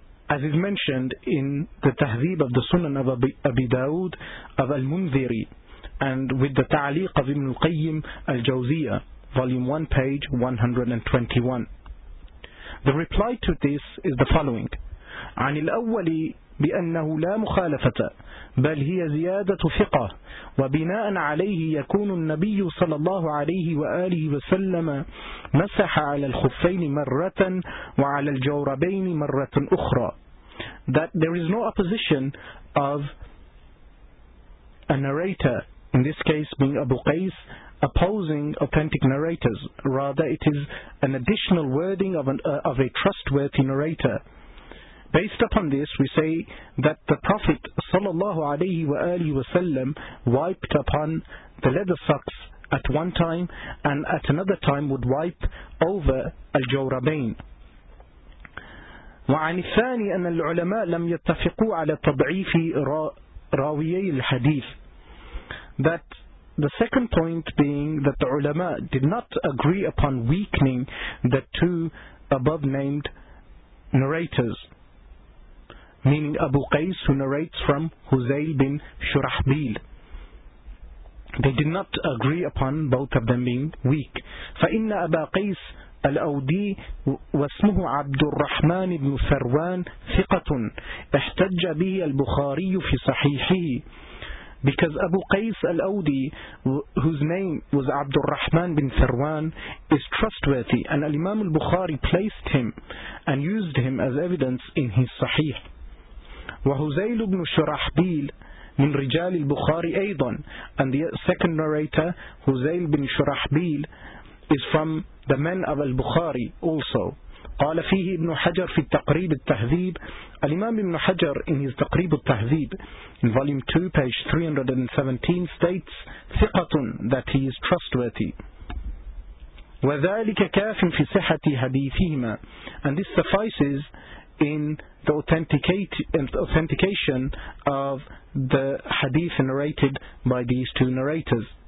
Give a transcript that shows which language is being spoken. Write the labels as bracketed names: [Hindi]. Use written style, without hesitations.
[English] as is mentioned in the Tahzib of the Sunan of Abi Dawud of Al-Munziri, and with the Ta'liq of Ibn al-Qayyim Al-Jawziya, volume 1, page 121. The reply to this is the following. [Arabic] عن الأول بأنه لا مخالفة بل هي زيادة ثقة وبناء عليه يكون النبي صلى الله عليه وآله وسلم مسح على الخفين مرة وعلى الجوربين مرة أخرى. [English] That there is no opposition of a narrator, in this case being Abu Qais, opposing authentic narrators. Rather, it is an additional wording of a trustworthy narrator. Based upon this, we say that the Prophet sallallahu alayhi wa alihi wa sallam wiped upon the leather socks at one time, and at another time would wipe over al-jawrabain. [Arabic] وعن الثاني أن العلماء لم يتفقوا على تضعيف راويي الحديث. [English] That the second point being that the ulama did not agree upon weakening the two above named narrators, meaning Abu Qais, who narrates from Huzail bin Shurahbil. They did not agree upon both of them being weak. [Arabic] فَإِنَّ أَبَا قَيْسَ الْأَوْدِي وَاسْمُهُ عَبْدُ الرَّحْمَنِ بْنُ ثَرْوَانِ ثِقَةٌ احْتَجَّ بِهِ الْبُخَارِيُّ فِي صَحِيحِهِ. [English] Because Abu Qais al-Awdi, whose name was Abdul Rahman bin Sarwan, is trustworthy, and Imam al-Bukhari placed him and used him as evidence in his Sahih. [Arabic] وهزيل بن شرحبيل من رجال البخاري أيضا. [English] And the second narrator, هزيل بن شرحبيل, is from the men of البخاري also. [Arabic] قال فيه ابن حجر في التقريب التهذيب. [English] الإمام ابن حجر in his تقريب التهذيب in volume 2 page 317 states ثقة, that he is trustworthy. [Arabic] وذلك كاف في صحة حديثهما, [English] and this suffices in the authentication of the hadith narrated by these two narrators.